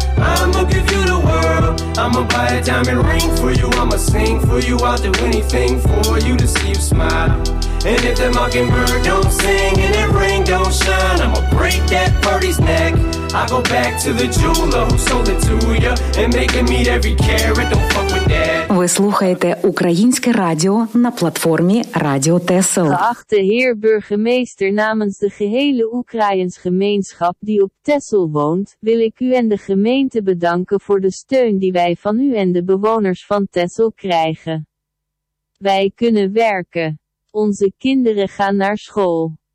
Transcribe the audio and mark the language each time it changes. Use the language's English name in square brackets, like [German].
[English] I'ma give you the world, I'ma buy a diamond ring for you, I'ma sing for you, I'll do anything for you to see you smile. And if that mockingbird don't sing and that ring don't shine, I'ma break that birdie's neck. I go back to the jeweler who sold it to you and make him meet every carrot, don't fuck with that. [Ukrainian] Ви слухаєте Українське радіо на платформі Радіо ТЕСЕЛ. [Dutch] Geachte heer burgemeester, namens de gehele Oekraïens gemeenschap die op TESEL woont, wil ik u en de gemeente bedanken voor de steun die wij van u en de bewoners van TESEL krijgen. Wij kunnen werken. Onze kinderen gaan naar school.